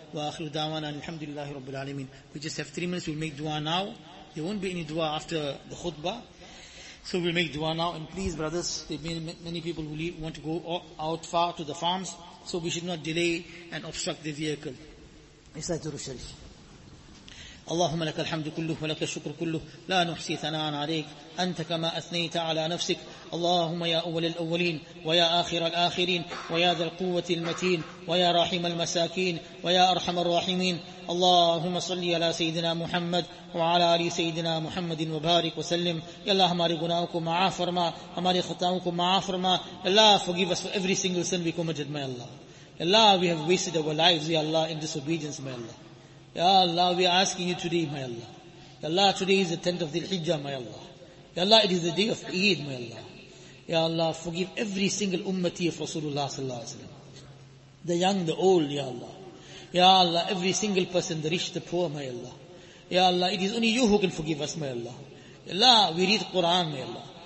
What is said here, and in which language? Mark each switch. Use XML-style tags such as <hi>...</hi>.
<ar>Wa akhiru da'wana alhamdulillahi rabbil alameen.</ar> <en>We just have 3 minutes, we'll make dua now. There won't be any dua after the khutbah, so we'll make dua now. And please brothers, there may many people who want to go out far to the farms, so we should not delay and obstruct the vehicle. Isaduru Sharif.</en> <ar>اللهم لك الحمد كله ولك الشكر كله لا نحصي ثناء عليك أنت كما أثنيت على نفسك اللهم يا أول الأولين ويا آخر الآخرين ويا ذا القوة المتين ويا راحم المساكين ويا أرحم الراحمين اللهم صل على سيدنا محمد وعلى آل سيدنا محمد وبارك وسلم يا الله</ar> <ur>هماري غناؤكم معافرما</ur> <ar>هماري خطاؤكم معافرما يا الله</ar> <en>forgive us for every single sin we committed my Allah يا الله we have wasted our lives يا الله in disobedience my Allah Ya Allah, we are asking you today, my Allah. Ya Allah, today is the 10th of the Hijjah, my Allah. Ya Allah, it is the day of Eid, my Allah. Ya Allah, forgive every single ummati of Rasulullah sallallahu alayhi wa sallam. The young, the old, Ya Allah. Ya Allah, every single person, the rich, the poor, my Allah. Ya Allah, it is only you who can forgive us, my Allah. Ya Allah, we read Quran, my Allah.</en>